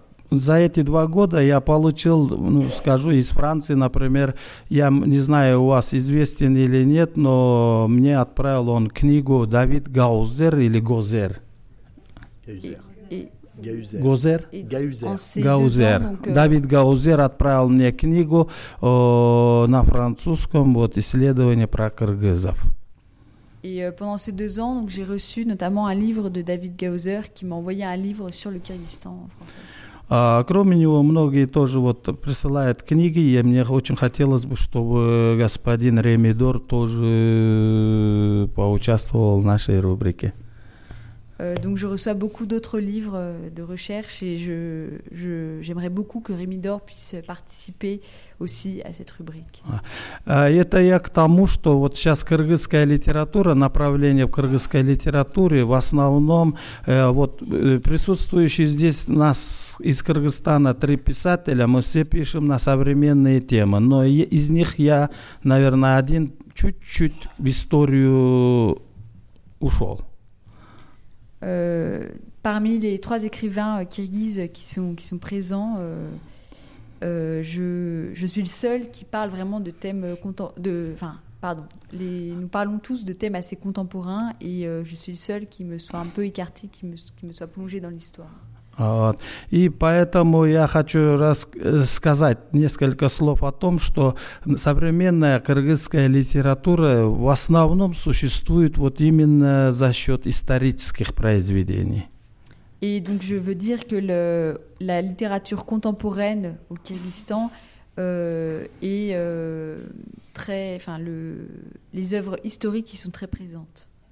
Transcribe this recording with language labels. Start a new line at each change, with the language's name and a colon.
Russian: За эти два года я получил, ну, скажу, из Франции, например, я не знаю, у вас известен или нет, но мне отправил он книгу «Давид Гаузер» или «Гозер». Гаузер. Гаузер. Давид Гаузер отправил мне книгу на французском, вот исследование про кыргызов.
French: И pendant ces deux ans, donc j'ai reçu notamment un livre de David Gauzer qui m'a envoyé un livre sur le Kyrgyzstan en français.
Russian: Кроме него, многие тоже вот присылают книги, и мне очень хотелось бы, чтобы господин Ремидор тоже поучаствовал в нашей рубрике.
French: Donc je reçois beaucoup d'autres livres de recherche et je j'aimerais beaucoup que Ремидор puisse participer aussi à cette rubrique.
Russian: Это я к тому, что вот сейчас кыргызская литература, направление в кыргызской литературе в основном вот присутствующие здесь нас из Кыргызстана три писателя, мы все пишем на современные темы, но из них я, наверное, один чуть-чуть в историю ушел.
French: Parmi les trois écrivains kirghizes qui sont présents, je suis le seul qui parle vraiment de thèmes nous parlons tous de thèmes assez contemporains et je suis le seul qui me soit un peu écarté, qui me soit plongé dans l'histoire.
Russian: Вот. И поэтому я хочу сказать несколько слов о том, что современная кыргызская литература в основном существует вот именно за счет исторических произведений.
French: И donc je veux dire que la littérature contemporaine au Kyrgyzstan est très, enfin les œuvres historiques qui sont très présentes.